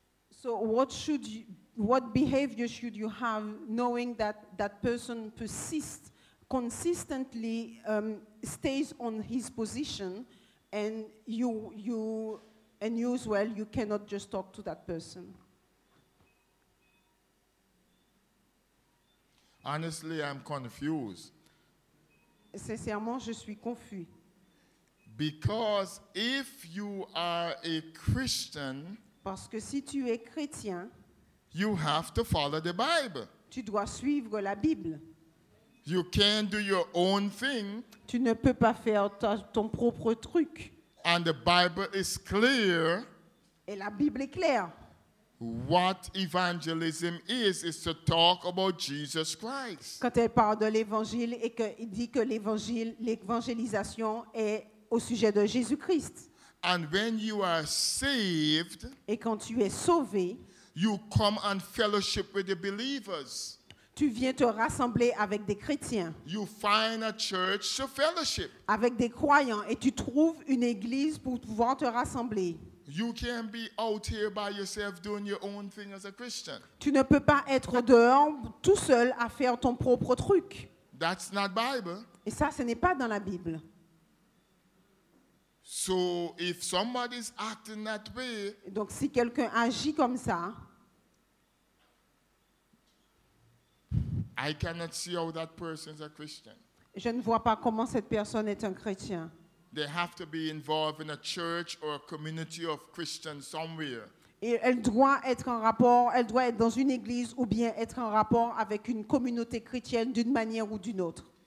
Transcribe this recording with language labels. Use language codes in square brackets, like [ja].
[en] So what should you... What behavior should you have knowing that that person persists, consistently stays on his position and you as well, you cannot just talk to that person? Honestly, I'm confused. [fr] Sincèrement, je suis confus. [en] Because if you are a Christian, [fr] parce que si tu es chrétien, [en] you have to follow the Bible. [fr] Tu dois suivre la Bible. [en] You can't do your own thing. [fr] Tu ne peux pas faire ton propre truc. [en] And the Bible is clear. [fr] Et la Bible est claire. [en] What evangelism is to talk about Jesus Christ. [fr] Quand elle parle de l'évangile et qu'il dit que l'évangile, l'évangélisation est au sujet de Jésus-Christ. [en] And when you are saved, [fr] et quand tu es sauvé, [en] you come and fellowship with the believers. [fr] Tu viens te rassembler avec des chrétiens. [en] You find a church to fellowship. [fr] Avec des croyants et tu trouves une église pour pouvoir te rassembler. [en] You can't be out here by yourself doing your own thing as a Christian. [fr] Tu ne peux pas être dehors tout seul à faire ton propre truc. [en] That's not Bible. [fr] Et ça, ce n'est pas dans la Bible. [en] So if somebody's acting that way, [fr] donc si quelqu'un agit comme ça, [en] I cannot see how that person is a Christian. [fr] Je ne vois pas comment cette personne est un chrétien. [en] They have to be involved in a church or a community of Christians somewhere. [fr] Et elle doit être en rapport, elle doit être dans une église ou bien être en rapport avec une communauté chrétienne d'une manière ou d'une autre.